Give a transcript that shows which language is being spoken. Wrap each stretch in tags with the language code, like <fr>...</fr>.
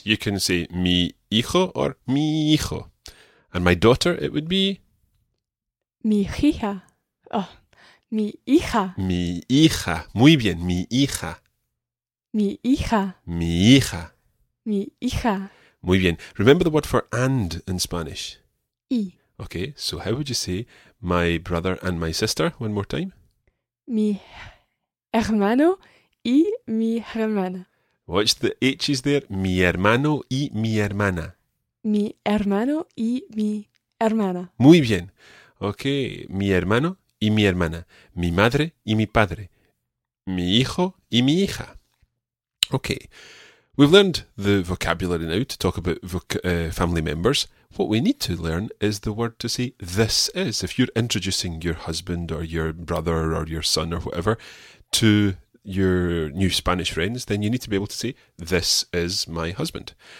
<en>You can say</en> <es>mi hijo or mi hijo.</es> <en>And my daughter, it would be?</en> <es>Mi hija. Oh. Mi hija. Mi hija. Muy bien. Mi hija. Mi hija. Mi hija. Mi hija. Muy bien.</es> <en>Remember the word for and in Spanish?</en> <es>Y.</es> <en>Okay, so how would you say my brother and my sister one more time?</en> <es>Mi hermano y mi hermana.</es> <en>Watch the H's there.</en> <es>Mi hermano y mi hermana. Mi hermano y mi hermana. Muy bien. Okay, mi hermano. Y mi hermana, mi madre y mi padre, mi hijo y mi hija.</es> <en>Okay, we've learned the vocabulary now to talk about family members. What we need to learn is the word to say this is. If you're introducing your husband or your brother or your son or whatever to your new Spanish friends, then you need to be able to say, this is my husband.</en>